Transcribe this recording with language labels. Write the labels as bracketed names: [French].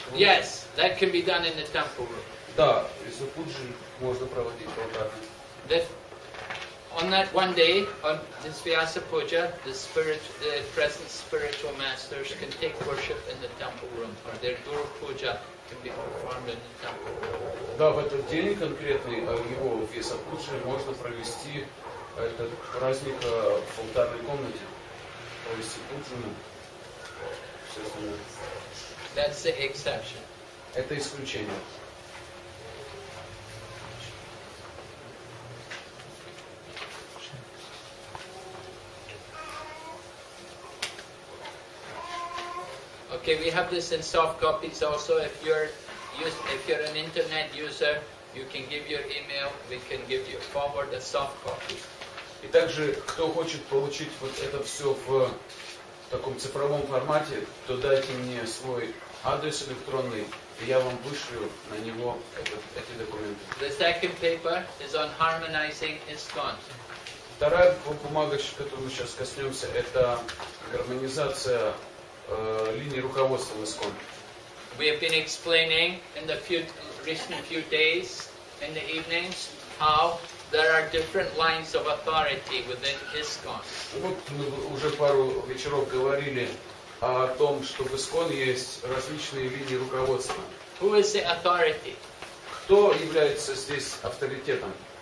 [English] Yes, that can be done in the temple room. [Russian] Да, за пуджи можно проводить алтар. [English] On that one day, on this Vyasa Puja, the present spiritual masters can take worship in the temple room, or their Guru Puja can be performed in the temple room. [Russian] Да, в этот день конкретный его Vyasa Puja можно провести. Это праздник в алтарной комнате, провести пуджу, все остальное. [English] That's the exception. [Russian] Это исключение. [English] Okay, we have this in soft copies also. If you're an internet user, you can give your email, we can give you forward a soft copy. [Russian] И также, кто хочет получить вот это все в таком цифровом формате, то дайте мне свой адрес электронный, и я вам вышлю на него эти документы. [English] The second paper is on harmonizing ISKCON. [Russian] Вторая бумага, которую мы сейчас коснемся, это гармонизация линии руководства в ISKCON. [English] We have been explaining in the recent few days, in the evenings, how there are different lines of authority within ISKCON. [Russian] Вот мы уже пару вечеров говорили о том, что в ISKCON есть различные линии руководства. [English] Who is the authority? [Russian] Кто является здесь авторитетом?